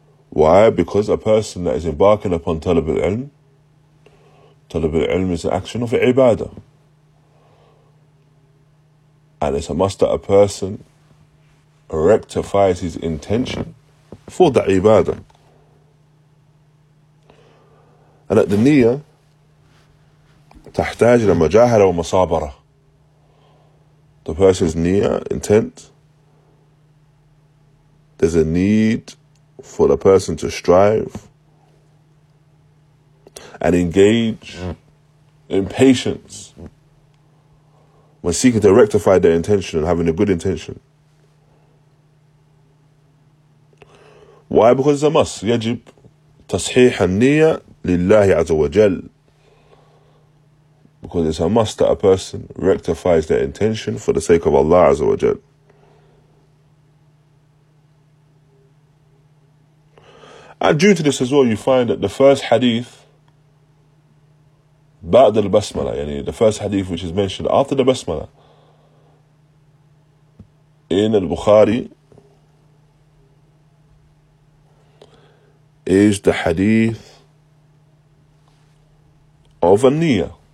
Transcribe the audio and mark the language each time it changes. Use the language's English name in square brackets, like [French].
[English] Why? Because a person that is embarking upon talab al-ilm is an action of ibadah. And it's a must that a person rectifies his intention for that ibadah. And at the niyyah, [Arabic] تحتاج لمجاهرة ومصابرة. [English] The person's niyyah, intent, there's a need for the person to strive and engage in patience when seeking to rectify their intention and having a good intention. Why? Because it's a must. [Arabic] يجب تصحيح النية لله عز وجل. [English] Because it's a must that a person rectifies their intention for the sake of Allah عز وجل. And due to this as well, you find that the first hadith [Arabic] بعد البسملة, [English] يعني the first hadith which is mentioned after the basmala in al-Bukhari is the hadith of an-niyyah.